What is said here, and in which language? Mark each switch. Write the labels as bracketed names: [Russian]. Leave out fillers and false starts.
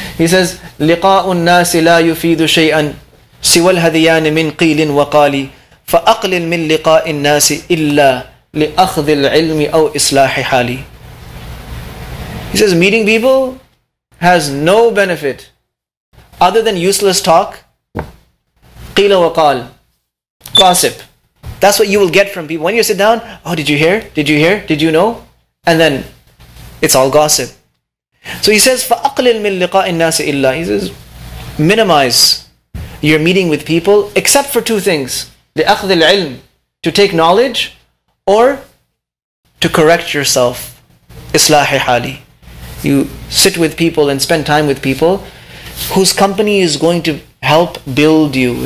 [Arabic] He says, لِقَاءُ النَّاسِ لَا يُفِيدُ شَيْئًا سِوَى الْهَذِيَانِ مِنْ قِيلٍ وَقَالٍ فَأَقْلِلْ مِنْ لِقَاءِ النَّاسِ إِلَّا لِأَخْذِ الْعِلْمِ أَوْ إِصْلَاحِ حَالِي. [English] He says, meeting people has no benefit other than useless talk. [Arabic] قِيلَ وَقَال. Gossip. [English] That's what you will get from people. When you sit down, oh, did you hear? Did you hear? Did you know? And then it's all gossip. [Arabic] So he says, فَأَقْلِلْ مِنْ لِقَاءِ النَّاسِ إِلَّا. [English] He says, minimize your meeting with people except for two things. لِأَخْذِ الْعِلْمِ, to take knowledge, or to correct yourself. [Arabic] إِصْلَاحِ حَالِي. [English] You sit with people and spend time with people whose company is going to help build you.